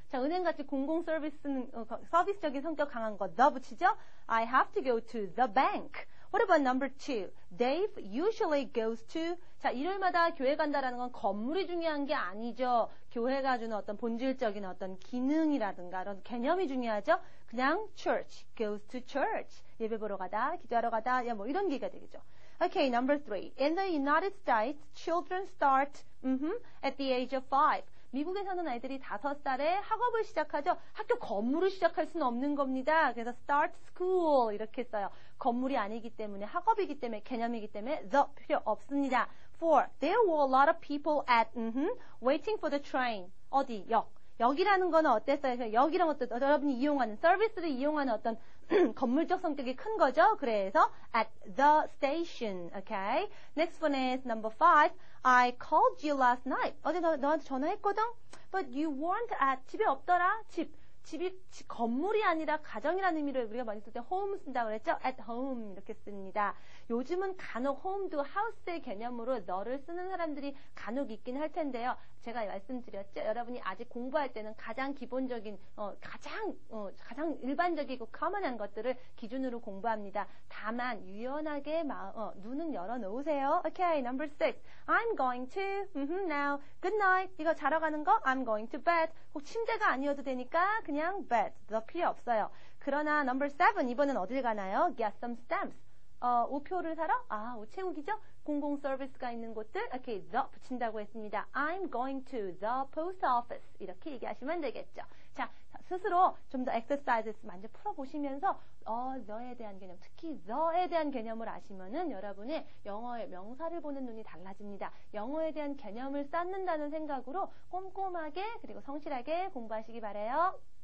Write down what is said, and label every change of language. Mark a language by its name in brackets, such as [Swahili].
[Korean] 자, 은행같이 공공서비스는 서비스적인 성격 강한 거. 너 붙이죠? [English] I have to go to the bank. What about number two? Dave usually goes to. [Korean] 자, 일요일마다 교회 간다라는 건 건물이 중요한 게 아니죠. 교회가 주는 어떤 본질적인 어떤 기능이라든가 이런 개념이 중요하죠. [English] 그냥 church, goes to church. [Korean] 예배 보러 가다, 기도하러 가다, 야 뭐 이런 얘기가 되겠죠. [English] Okay, number three. In the United States, children start at the age of five. [Korean] 미국에서는 아이들이 5살에 학업을 시작하죠. 학교 건물을 시작할 수는 없는 겁니다. 그래서 start school 이렇게 써요. 건물이 아니기 때문에, 학업이기 때문에, 개념이기 때문에 the 필요 없습니다. [English] Four. There were a lot of people at waiting for the train. [Korean] 어디? 역. 역이라는 건 어땠어요? 역이란 것도 여러분이 이용하는, 서비스를 이용하는 어떤 건물적 성격이 큰 거죠. [English] 그래서 at the station. Okay. Next one is number five. I called you last night. [Korean] 어제 너한테 전화했거든? [English] But you weren't at, [Korean] 집에 없더라. 집. 집이 건물이 아니라 가정이라는 의미로 우리가 많이 쓸 때 home 쓴다고 그랬죠? at home 이렇게 씁니다. 요즘은 간혹 home도 house의 개념으로 너를 쓰는 사람들이 간혹 있긴 할 텐데요. 제가 말씀드렸죠? 여러분이 아직 공부할 때는 가장 기본적인 가장 일반적이고 common한 것들을 기준으로 공부합니다. 다만 유연하게 눈은 열어놓으세요. [English] Okay, number six. I'm going to now. Good night. [Korean] 이거 자러 가는 거? [English] I'm going to bed. [Korean] 꼭 침대가 아니어도 되니까 그냥 bed. 더 필요 없어요. [English] 그러나 number seven. [Korean] 이번엔 어딜 가나요? [English] Get some stamps. [Korean] 우표를 사러? 아, 우체국이죠? 공공서비스가 있는 곳들? Okay, the 붙인다고 했습니다. [English] I'm going to the post office. [Korean] 이렇게 얘기하시면 되겠죠. 자, 스스로 좀 더 exercises 먼저 풀어보시면서 the에 대한 개념, 특히 the에 대한 개념을 아시면은 여러분의 영어의 명사를 보는 눈이 달라집니다. 영어에 대한 개념을 쌓는다는 생각으로 꼼꼼하게 그리고 성실하게 공부하시기 바라요.